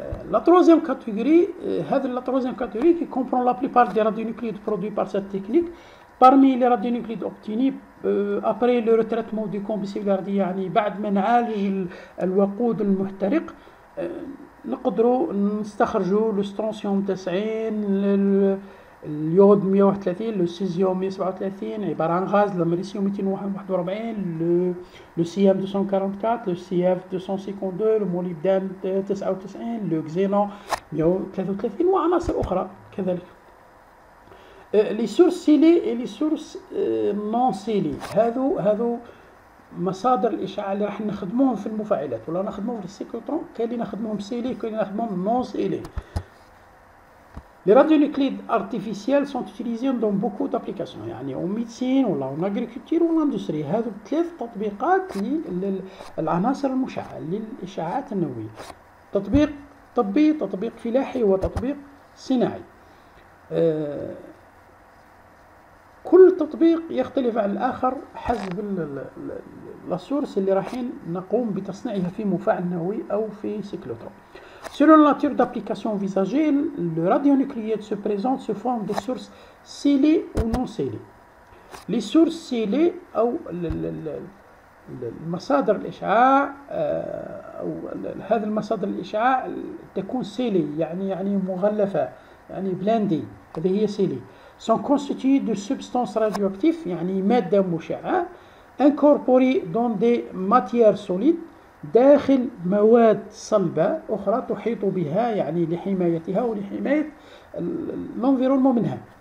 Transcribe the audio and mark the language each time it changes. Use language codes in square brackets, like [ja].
[fr] La troisième catégorie, c'est la troisième catégorie qui comprend la plupart des radionucléides produits par cette technique. Parmi les radionucléides obtenus après le retraitement du combustible RD, [ar] يعني بعد ما نعالج الوقود المحترق، نقدروا نستخرجوا الاسترونسيوم 90، اليود 131، السيزيوم 137 عبارة عن غاز، الامريسيوم 241، السيام 244، السياف 252، الموليبدان 99، الكزينون 133 وعناصر أخرى كذلك. لي سورس سيلي ولي سورس نون سيلي، هذو مصادر الإشعاع اللي راح نخدموهم في المفاعلات ولا نخدموهم في السيكلوترون، كاين اللي نخدموهم سيلي كاين اللي نخدموهم نون سيلي. [fr] Les radionucléides artificiels sont utilisés dans beaucoup d'applications, يعني en médecine ou en agriculture ou en industrie. [ar] هذو ثلاث تطبيقات للعناصر المشعة للإشعاعات النووية، تطبيق طبي، تطبيق فلاحي وتطبيق صناعي. كل تطبيق يختلف عن الآخر حسب السورس اللي راحين نقوم بتصنيعها في مفاعل نووي أو في سيكلوترون. [fr] Selon la nature d'application envisagée, le radionucléide se présente sous forme de sources scellées ou non scellées. Les sources scellées ou les [ar] مصادر الإشعاع ou هذه المصادر الإشعاع تكون scellée يعني مغلفة يعني [fr] blindée، [ar] هذه هي scellée. [fr] Sont constituées de substances radioactives [ar] يعني مادة مشعة [fr] incorporées dans des matières solides [ar] داخل مواد صلبة أخرى تحيط بها يعني لحمايتها ولحماية الانفيرونمون منها.